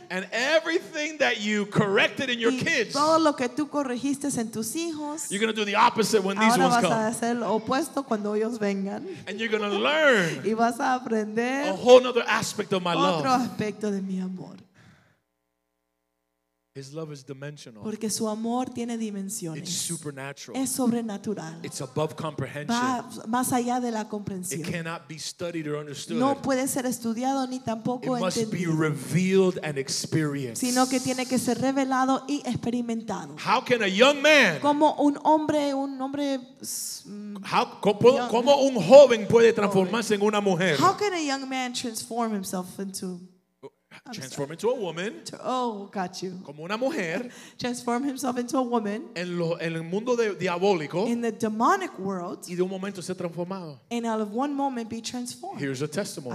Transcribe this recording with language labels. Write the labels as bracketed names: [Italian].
[English] And everything that you corrected in your kids, [Spanish] todo lo que tú corregiste en tus hijos, [English] you're going to do the opposite when these ones come. [Spanish] Ahora vas a hacer lo opuesto cuando ellos vengan. [English] And you're going to learn. [Spanish] Y vas a aprender. [English] A whole other aspect of my [Spanish] otro [English] love. [Spanish] Otro aspecto de mi amor. [English] His love is dimensional. [Spanish] Porque su amor tiene dimensiones. [English] It's supernatural. [Spanish] Es sobrenatural. [English] It's above comprehension. [Spanish] Va más allá de la comprensión. [English] It cannot be studied or understood. [Spanish] No puede ser estudiado ni tampoco [English] it [Spanish] entendido. [English] It must be revealed and experienced. [Spanish] Sino que tiene que ser revelado y experimentado. [English] How can a young man? [Spanish] Como un hombre ¿cómo un joven puede transformarse en una mujer? [English] How can a young man transform himself into transform into a woman. Oh, got you. [Spanish] Como una mujer. [English] Transform himself into a woman. [Spanish] En el mundo de, diabólico. [English] In the demonic world. [Spanish] Y de un momento ser transformado. [English] And out of one moment be transformed. Here's a testimony.